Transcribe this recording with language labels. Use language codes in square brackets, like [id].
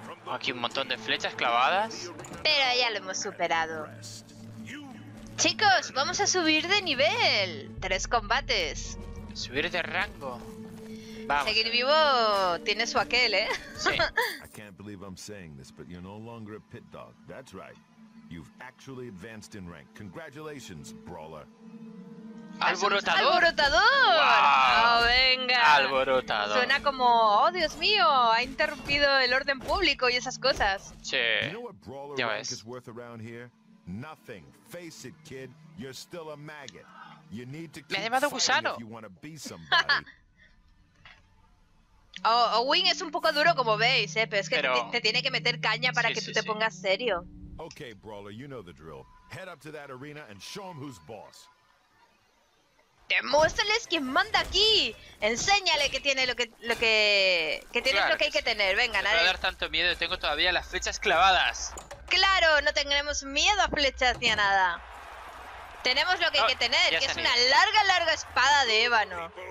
[es] Aquí un montón de flechas clavadas. Pero ya lo hemos superado. Chicos, vamos a subir de nivel. Tres combates. Subir de rango. Vamos. Seguir vivo tiene su aquel, ¿eh? [en] Sí. I can't believe I'm saying this, but you're no longer a pit dog. That's right. You've actually advanced in rank. Congratulations, brawler. [es] ¡Alborotador! ¡Alborotador! ¡Wow! ¡Oh, venga! ¡Alborotador! Suena como, oh, Dios mío, ha interrumpido el orden público y esas cosas. Sí. [en] You know what brawler ya rank ves. Is worth around here? Nothing. Face it, kid. You're still a maggot. You need to keep fighting if you want to be somebody. [es] Owen es un poco duro como veis, pero es que te tiene que meter caña para sí, que tú sí, te sí. pongas serio. [en] Okay, brawler, you know the drill. Head up to that arena and show him who's boss. [es] Demuéstrales quién manda aquí. Enséñale que tiene lo que tiene claro, lo que hay que tener. Venga, no va a dar tanto miedo, tengo todavía las flechas clavadas. Claro, no tendremos miedo a flechas ni a nada. Tenemos lo que hay que tener, que es una larga, larga espada de ébano.